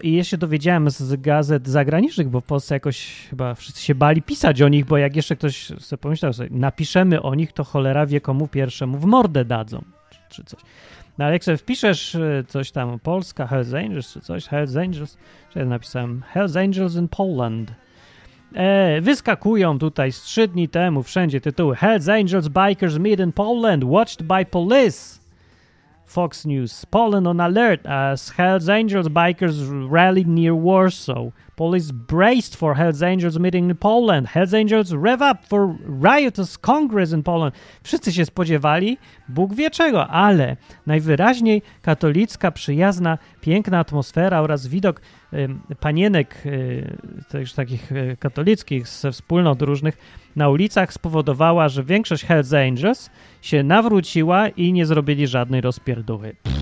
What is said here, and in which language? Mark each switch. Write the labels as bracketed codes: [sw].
[pl] I ja się dowiedziałem z gazet zagranicznych, bo w Polsce jakoś chyba wszyscy się bali pisać o nich, bo jak jeszcze ktoś sobie pomyślał, że napiszemy o nich, to cholera wie, komu pierwszemu w mordę dadzą, czy coś. No ale jak sobie wpiszesz coś tam, Polska, Hells Angels, czy coś, Hells Angels, czy ja napisałem Hells Angels in Poland. Wyskakują tutaj z 3 dni temu wszędzie tytuły. [en] Hells Angels Bikers Meet in Poland, Watched by Police. Fox News. Poland on alert as Hells Angels Bikers rallied near Warsaw. Police braced for Hells Angels meeting in Poland. Hells Angels rev up for riotous congress in Poland. [pl] Wszyscy się spodziewali, Bóg wie czego, ale najwyraźniej katolicka, przyjazna, piękna atmosfera oraz widok panienek też takich katolickich ze wspólnot różnych na ulicach spowodowała, że większość Hells Angels się nawróciła i nie zrobili żadnej rozpierduchy.